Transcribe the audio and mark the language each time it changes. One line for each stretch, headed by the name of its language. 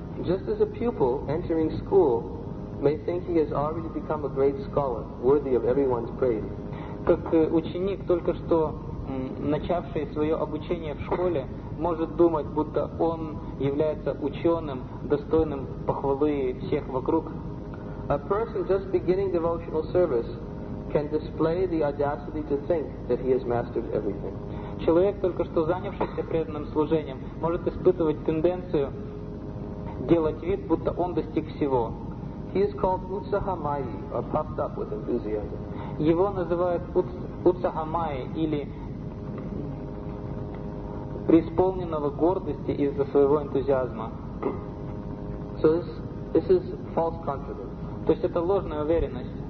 English: Just as a pupil entering school may think he has already become a great scholar, worthy of everyone's praise.
Russian: Как ученик, только что начавший свое обучение в школе, может думать, будто он является ученым, достойным похвалы всех вокруг.
English: A person just beginning devotional service can display the audacity to think that he has mastered everything.
Russian: Человек, только что занявшийся преданным служением, может испытывать тенденцию делать вид, будто он достиг всего.
English: He is called utsahamayi, or puffed up with enthusiasm.
Russian: Его называют утсахамай или преисполненного гордости из-за своего энтузиазма.
English: So this is false confidence.
Russian: То есть это ложная уверенность.